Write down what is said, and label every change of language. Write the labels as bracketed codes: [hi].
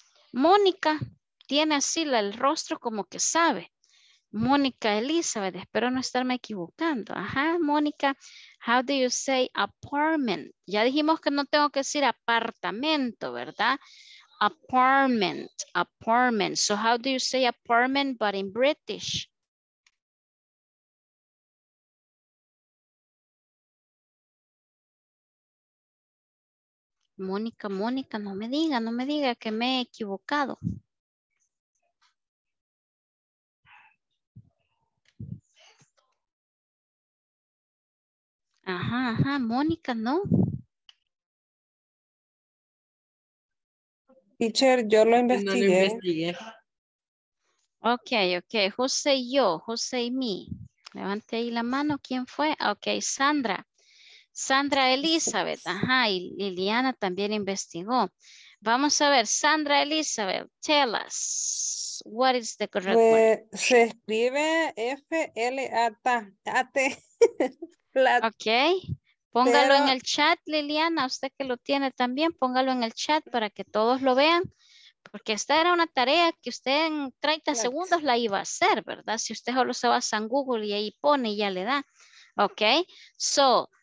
[es] Mónica tiene así el rostro como que sabe. Mónica Elizabeth, espero no estarme equivocando. Ajá, Mónica, [en] how do you say apartment? [es] Ya dijimos que no tengo que decir apartamento, ¿verdad? [en] Apartment, apartment. So how do you say apartment but in British? [es] Mónica, Mónica, no me diga, no me diga que me he equivocado. Ajá, ajá, Mónica, ¿no? Teacher, yo lo investigué. No lo investigué. Ok, ok, José y yo, José y mí. Levante ahí la mano, ¿quién fue? Ok, Sandra. Sandra Elizabeth, ajá, y Liliana también investigó. Vamos a ver, [en] Sandra Elizabeth, tell us, what is the correct word? [es] Se escribe F-L-A-T. Ok, póngalo en el chat, Liliana, usted que lo tiene también, póngalo en el chat para que todos lo vean, porque esta era una tarea que usted en 30 segundos la iba a hacer, ¿verdad? Si usted solo se va a San Google y ahí pone y ya le da. Ok, so...